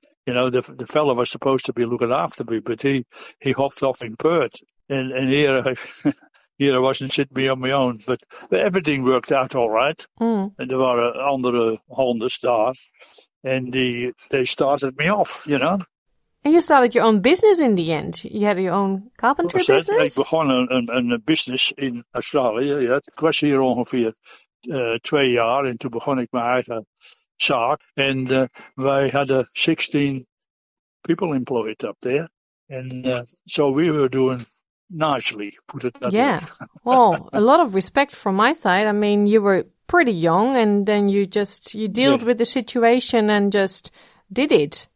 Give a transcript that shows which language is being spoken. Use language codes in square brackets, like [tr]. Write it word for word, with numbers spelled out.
[en] You know, the the fellow was supposed to be looking after me, but he, he hopped off in Perth. And, and here, I, here I wasn't sitting on my own, but everything worked out all right. Mm. And there were [nl] andere Hollanders daar, [en] and the, they started me off, you know. And you started your own business in the end. You had your own carpenter [nl] was dat? [en] business? [nl] Ik begon een, een, een business in Australië. Ja. Ik was hier ongeveer uh, twee jaar en toen begon ik mijn eigen zaak. En uh, wij hadden [en] sixteen people employed up there. And uh, so we were doing... nicely put it that yeah way. Well, a lot of respect from my side. I mean, you were pretty young and then you just you dealt yeah. with the situation and just did it.